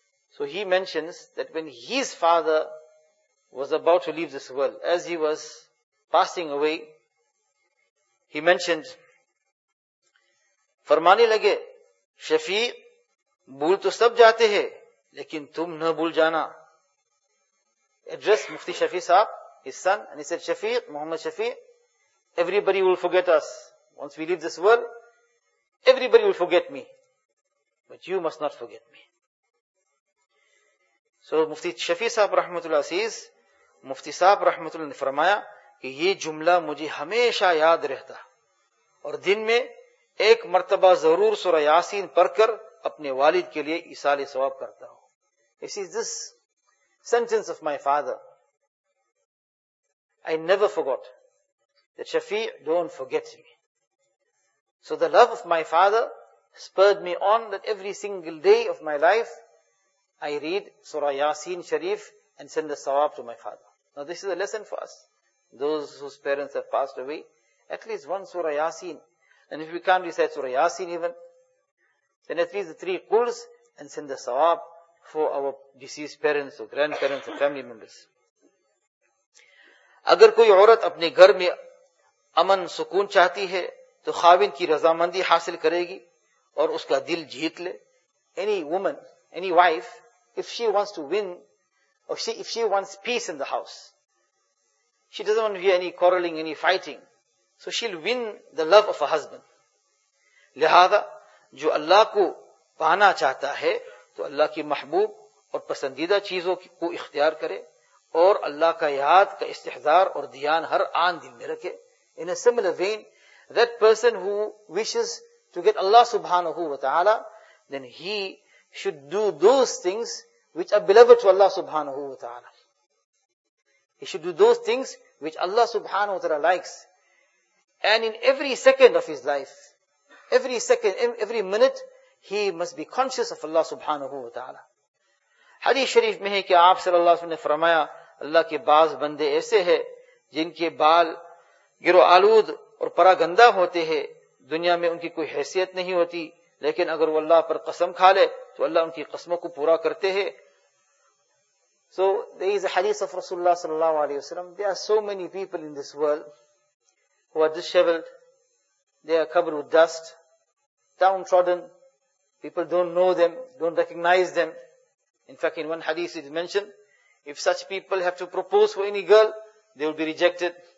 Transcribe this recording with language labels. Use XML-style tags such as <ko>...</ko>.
<en>So he mentions that when his father was about to leave this world, as he was passing away, he mentioned,</en> <ur>فرمانے لگے شفیع بھول تو سب جاتے ہیں لیکن تم نہ بھول جانا.</ur> <en>Address Mufti Shafi Saab, his son, and he said, Shafi, Muhammad Shafi, everybody will forget us. Once we leave this world, everybody will forget me. But you must not forget me. So Mufti Shafi Saab Rahmatullah says,</en> <ur>Mufti Saab Rahmatullah نے فرمایا کہ یہ جملہ مجھے ہمیشہ یاد رہتا اور دن میں ایک مرتبہ ضرور سورہ یاسین پڑھ کر اپنے والد کے لیے ایصال ثواب کرتا ہوں.</ur> <en>This is this sentence of my father. I never forgot. That Shafi, don't forget me. So the love of my father spurred me on that every single day of my life, I read Surah Yasin Sharif and send the sawab to my father. Now this is a lesson for us. Those whose parents have passed away, at least one Surah Yasin. And if we can't recite Surah Yasin even, then at least the three quls and send the sawab for our deceased parents or grandparents or family members.</en> <ur>اگر کوئی عورت اپنے گھر میں امن سکون چاہتی ہے تو خاوند کی رضامندی حاصل کرے گی اور اس کا دل جیت لے.</ur> <en>Any woman, any wife, if she wants to win, or if she wants peace in the house, she doesn't want to hear any quarreling, any fighting, so she'll win the love of her husband.</en> <ur>لہذا جو اللہ کو پانا چاہتا ہے تو اللہ کی محبوب اور پسندیدہ چیزوں کو اختیار کرے اور اللہ کا یاد کا استحضار اور دھیان ہر آن دل میں رکھے.</ur> <en>In a similar vein, that person who wishes to get Allah subhanahu wa ta'ala, then he should do those things which are beloved to Allah subhanahu wa ta'ala. He should do those things which Allah subhanahu wa ta'ala likes. And in every second of his life, every second, every minute, he must be conscious of Allah subhanahu wa ta'ala.</en> <ur>حدیث شریف میں ہے کہ آپ صلی اللہ علیہ وسلم نے فرمایا اللہ کے بعض بندے ایسے ہیں جن کے بال گرو آلود اور پرا گندا ہوتے ہیں, دنیا میں ان کی کوئی حیثیت نہیں ہوتی, لیکن اگر وہ اللہ پر قسم کھا لے تو اللہ ان کی قسموں کو پورا کرتے ہیں.</ur> <en>So there is a hadith of Rasulullah صلی اللہ علیہ وسلم. There are so many people in this world who are disheveled, they are covered with dust, downtrodden, people don't know them, don't recognize them. In fact, in one hadith it is mentioned, if such people have to propose for any girl, they will be rejected.</en>